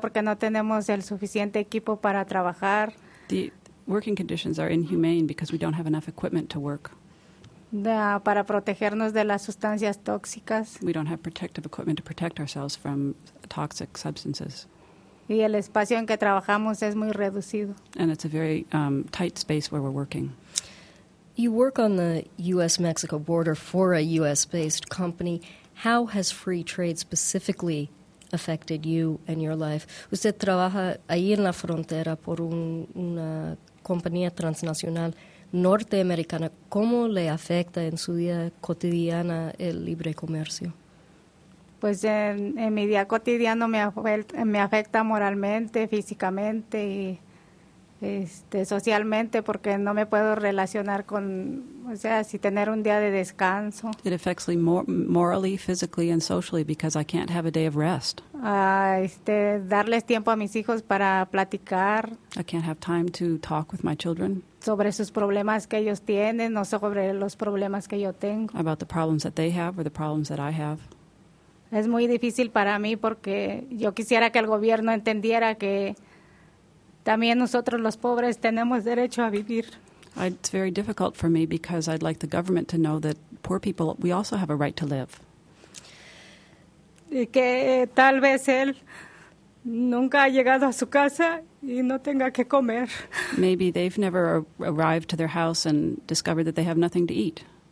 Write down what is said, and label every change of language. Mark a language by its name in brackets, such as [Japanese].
[Spanish] Porque no tenemos el suficiente equipo para trabajar. [English] The working conditions are inhumane because we don't have enough equipment to work. [Spanish] Para protegernos de las sustancias tóxicas. [English] We don't have protective equipment to protect ourselves from toxic substances. [Spanish] Y el espacio en que trabajamos es muy reducido. [English] And it's a very tight space where we're working. You work on the U.S.-Mexico border for a U.S.-based company. How has free trade specifically affected you and your life? [Spanish] Usted trabaja ahí en la frontera por una compañía transnacional norteamericana. ¿Cómo le afecta en su vida cotidiana el libre comercio? pues en mi día cotidiano me afecta moralmente, físicamente y socialmente, porque no me puedo relacionar con, o sea, si tener un día de descanso. [English] It affects me morally, physically, and socially because I can't have a day of rest. [Spanish] Darles tiempo a mis hijos para platicar. [English] I can't have time to talk with my children. [Spanish] Sobre sus problemas que ellos tienen, no sobre los problemas que yo tengo. [English] About the problems that they have or the problems that I have. [Spanish] Es muy difícil para mí porque yo quisiera que el gobierno entendiera que también nosotros los pobres tenemos derecho a vivir. [English] It's very difficult for me because I'd like the government to know that poor people, we also have a right to live. [Spanish] Y que tal vez él nunca ha llegado a su casa y no tenga que comer. [English] Maybe they've never arrived to their house and discovered that they have nothing to eat.